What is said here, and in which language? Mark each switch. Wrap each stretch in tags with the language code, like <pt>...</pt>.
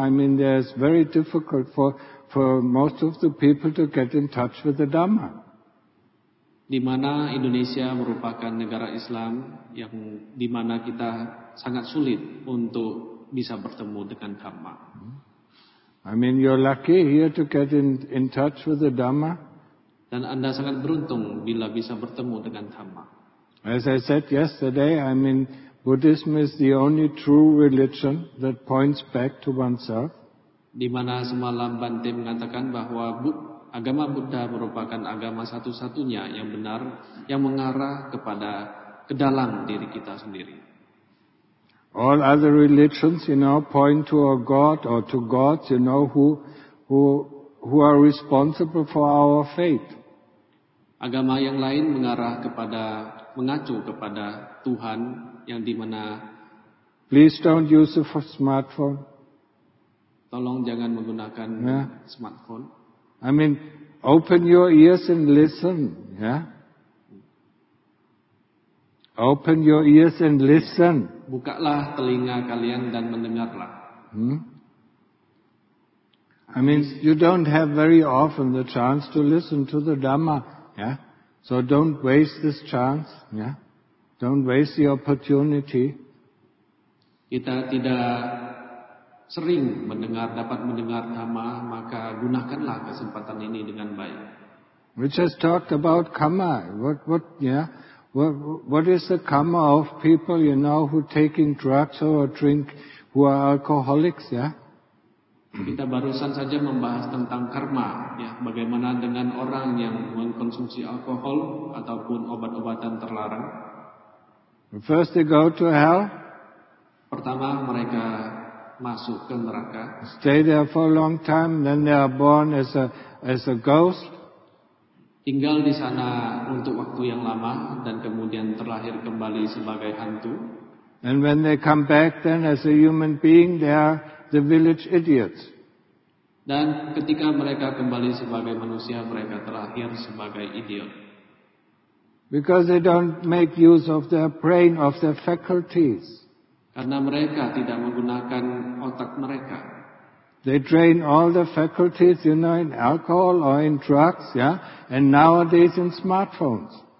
<en>I mean, there's very difficult for most of the people to get in touch with the Dhamma.</en> <id>Di mana Indonesia merupakan negara Islam yang di mana kita sangat sulit untuk bisa bertemu dengan Dhamma.</id> <en>I mean, you're lucky here to get in touch with the Dhamma.</en> <id>Dan Anda sangat beruntung bila bisa bertemu dengan Dhamma.</id> <en>As I said yesterday, I mean, Buddhism is the only true religion that points back to oneself.</en> <id>Di mana semalam Bante mengatakan bahwa agama Buddha merupakan agama satu-satunya yang benar, yang mengarah kepada ke dalam diri kita sendiri.</id> <en>All other religions, you know, point to a god or to gods, you know, who are responsible for our fate.</en> <id>Agama yang lain mengacu kepada Tuhan yang di mana.</id> <en>Please don't use the smartphone.</en> <id>Tolong jangan menggunakan smartphone.</id> <en>I mean, open your ears and listen, yeah? Open your ears and listen.</en> <id>Bukalah telinga kalian dan mendengarlah.</id> <en>I mean, you don't have very often the chance to listen to the Dhamma, yeah? So don't waste this chance, yeah? Don't waste the opportunity.</en> <id>Kita tidak sering dapat mendengar Dhamma, maka gunakanlah kesempatan ini dengan baik.</id> <en>We just talked about karma. What is the karma of people, you know, who taking drugs or drink, who are alcoholics, yeah?</en> <id>Kita barusan saja membahas tentang karma, ya, bagaimana dengan orang yang mengkonsumsi alkohol ataupun obat-obatan terlarang.</id> <en>First they go to hell.</en> <id>Pertama mereka masuk ke neraka.</id> <en>Stay there for a long time, then they are born as a ghost.</en> <id>Tinggal di sana untuk waktu yang lama dan kemudian terlahir kembali sebagai hantu.</id> <en>And when they come back then as a human being, they are the village idiots.</en> <id>Dan ketika mereka kembali sebagai manusia, mereka terlahir sebagai idiot.</id> <en>Because they don't make use of their brain, of their faculties.</en> <id>Karena mereka tidak menggunakan otak mereka.</id> <en>They drain all the faculties, you know, in alcohol or in drugs, yeah? And nowadays in smartphones.</en>